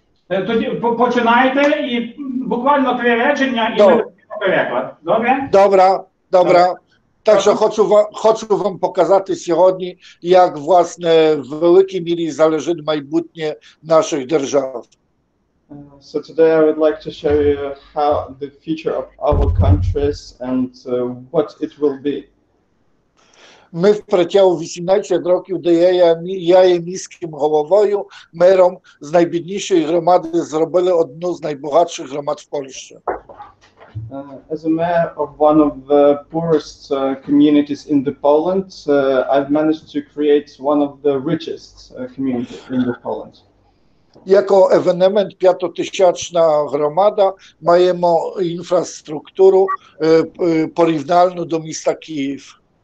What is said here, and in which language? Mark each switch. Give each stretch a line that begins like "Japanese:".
Ukrainian: Добре. Тоді починайте і буквально три речення і ми переклад. Добре? Добре, добре. Так що хочу вам показати сьогодні, як власне в великій мірі залежить майбутнє наших держав.
English: So today I would like to show you how the future of our countries and what it will be.
Ukrainian: Ми протягом 18 років, де я є міським головою, мером з найбіднішої громади, зробили одну з найбагатших громад в Польщі.
English: As a mayor of one of the poorest communities in the Poland, I've managed to create one of the richest communities in the Poland.
Polish: Jako ewenement
Ukrainian: п'ятотисячна громада маємо інфраструктуру порівняльну до міста Київ.